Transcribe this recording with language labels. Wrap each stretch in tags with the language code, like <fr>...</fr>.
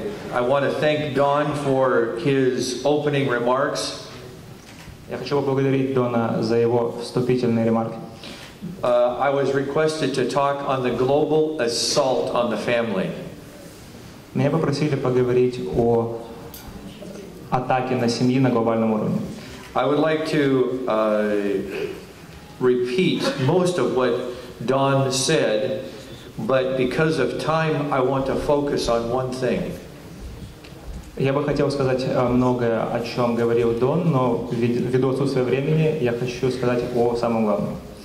<en>I want to thank Don for his opening remarks.</en> <ru>Я хочу поблагодарить Дона за его вступительные ремарки.</ru> <en>I was requested to talk on the global assault on the family.</en> <ru>Меня попросили поговорить о атаке на семью на глобальном уровне.</ru> <en>I would like to repeat most of what Don said, but because of time, I want to focus on one thing.</en> <ru>Я бы хотел сказать многое, о чем говорил Дон, но ввиду отсутствия времени, я хочу сказать о самом главном.</ru>